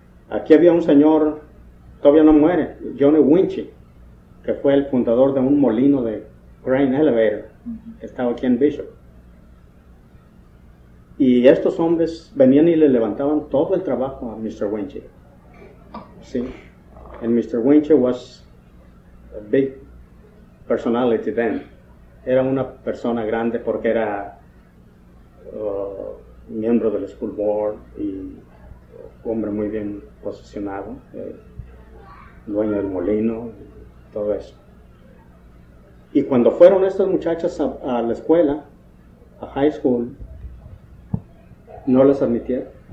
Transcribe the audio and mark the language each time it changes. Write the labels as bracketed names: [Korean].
[Spanish] Aquí había un señor, todavía no muere, Johnny Winchy, que fue el fundador de un molino de grain elevator, que estaba aquí en Bishop. Y estos hombres venían y le levantaban todo el trabajo a Mr. [English] Winchy. [Spanish] Sí. [English] And Mr. Winchy was a big personality then. [Spanish] Era una persona grande porque era miembro del school board y hombre muy bien posicionado, dueño del molino, todo eso. Y cuando fueron estas muchachas a la escuela, a high school, no las admitieron.